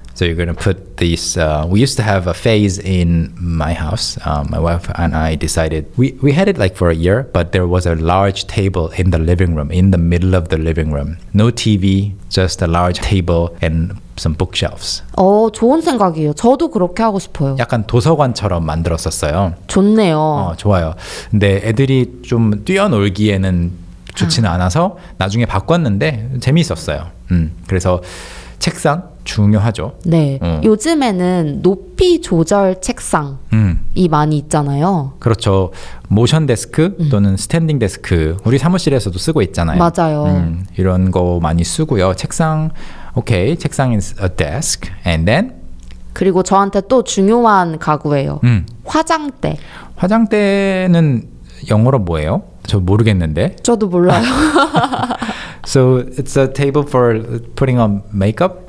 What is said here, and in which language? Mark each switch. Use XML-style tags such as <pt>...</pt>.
<en>So you're going to put these, we used to have a phase in my house, my wife and I decided, we had it like for a year, but there was a large table in the living room, in the middle of the living room. No TV, just a large table and some bookshelves.</en> <ko>좋은 생각이에요. 저도 그렇게 하고 싶어요. 약간 도서관처럼 만들었었어요. 좋네요. 좋아요. 근데 애들이 좀 뛰어놀기에는 좋지는 않아서 나중에 바꿨는데 재미있었어요. 그래서 책상. 중요하죠. 네. 요즘에는 높이 조절 책상이 많이 있잖아요. 그렇죠. 모션 데스크 또는 스탠딩 데스크. 우리 사무실에서도 쓰고 있잖아요. 맞아요. 이런 거 많이 쓰고요. 책상, 오케이. 책상</ko> <en>is a desk. And then?</en> <ko>그리고 저한테 또 중요한 가구예요. 화장대. 화장대는 영어로 뭐예요? 저 모르겠는데. 저도 몰라요.</ko> <en>So it's a table for putting on makeup.</en>